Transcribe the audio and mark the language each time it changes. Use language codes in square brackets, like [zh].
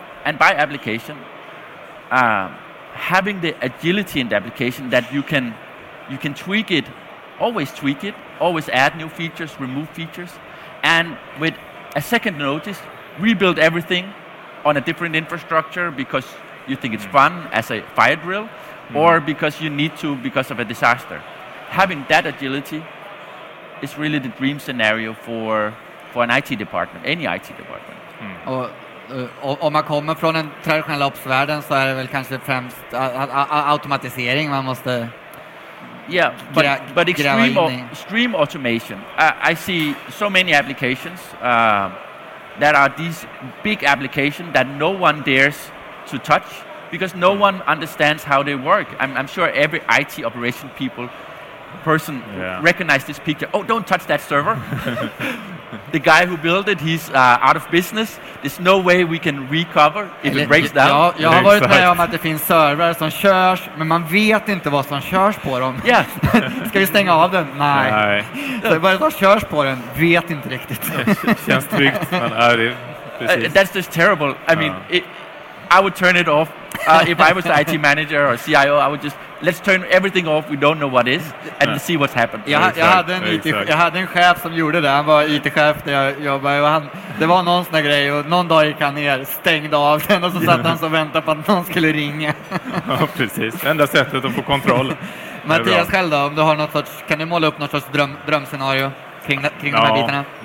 [en] And by application, having the agility in the application that you can tweak it, always tweak it, always add new features, remove features, and with a second notice, rebuild everything on a different infrastructure because you think it's fun as a fire drill, or because you need to because of a disaster. Having that agility is really the dream scenario for an IT department, any IT department. [sv] Och om man kommer från en traditionell ops-världen så är det väl kanske främst automatisering man måste. [en] Yeah, but extreme automation. I see so many applications that are these big applications that no one dares to touch because no one understands how they work. I'm sure every IT operation person recognized this picture. Oh, don't touch that server. The guy who built it, he's out of business. There's no way we can recover if it breaks down. [sv] Jag har varit med om att det finns servrar som körs, men man vet inte vad som körs på dem. [en] Yeah. [sv] Ska vi stänga av den? Nej. Nej. Så bara som körs på den, vet inte riktigt. Känns tryggt, men är det precis. [en] That's just terrible. I mean, I would turn it off. If I was the IT manager or CIO, I would just, let's turn everything off, we don't know what is, and see what's happened. [sv] Jag hade en chef som gjorde det, han var IT-chef där jag jobbade, och det var någon sån där grej, och någon dag gick han ner, stängde av den, och så satt han och väntade på att någon skulle ringa. Ja, precis. Enda sättet att få kontroll. Mattias, själv då, om du har något sorts, kan du måla upp något sorts drömscenario kring de här bitarna?